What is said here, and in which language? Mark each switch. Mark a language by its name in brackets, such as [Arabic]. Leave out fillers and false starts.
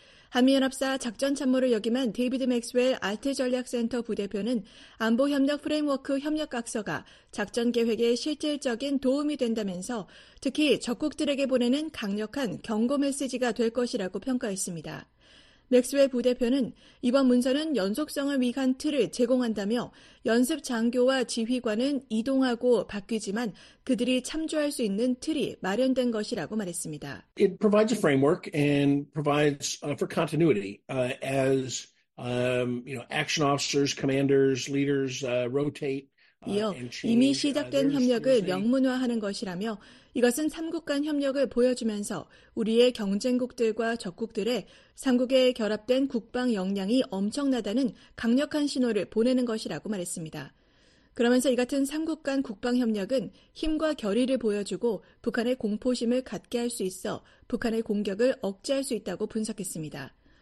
[Korean] 한미연합사 작전참모를 역임한 데이비드 맥스웰 아태전략센터 부대표는 안보협력 프레임워크 협력각서가 작전계획에 실질적인 도움이 된다면서 특히 적국들에게 보내는 강력한 경고 메시지가 될 것이라고 평가했습니다. 맥스웰 부대표는 이번 문서는 연속성을 위한 틀을 제공한다며 연습 장교와 지휘관은 이동하고 바뀌지만 그들이 참조할 수 있는 틀이 마련된 것이라고 말했습니다. [English] It provides a framework and provides for continuity as you know, action officers, commanders, leaders rotate. [Korean] 이어 이미 시작된 협력을 명문화하는 것이라며 이것은 3국 간 협력을 보여주면서 우리의 경쟁국들과 적국들의 3국에 결합된 국방 역량이 엄청나다는 강력한 신호를 보내는 것이라고 말했습니다. 그러면서 이 같은 3국 간 국방 협력은 힘과 결의를 보여주고 북한의 공포심을 갖게 할 수 있어 북한의 공격을 억제할 수 있다고 분석했습니다.